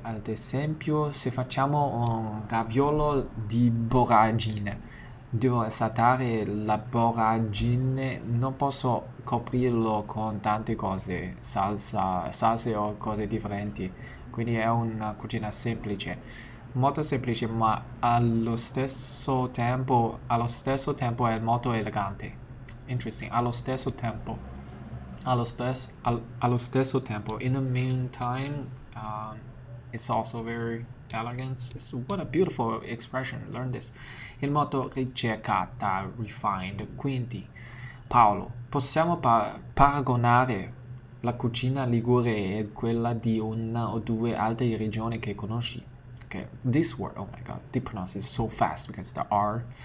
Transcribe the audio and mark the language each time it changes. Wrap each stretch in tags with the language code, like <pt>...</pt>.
<it>Ad esempio, se facciamo un raviolo di borragine, devo esaltare la borragine, non posso coprirlo con tante cose, salse o cose differenti. Quindi è una cucina semplice, molto semplice, ma allo stesso tempo è molto elegante. Interesting, allo stesso tempo. Allo stesso tempo,</it> <en>in the meantime, it's also very elegant. It's what a beautiful expression. Learn this.</en> <it>Il motto ricercata,</it> <en>refined.</en> <it>Quindi, Paolo, possiamo paragonare la cucina ligure e quella di una o due altre regioni che conosci?</it> <en>Ok, this word, oh my god, the pronounce is so fast because the R.</en>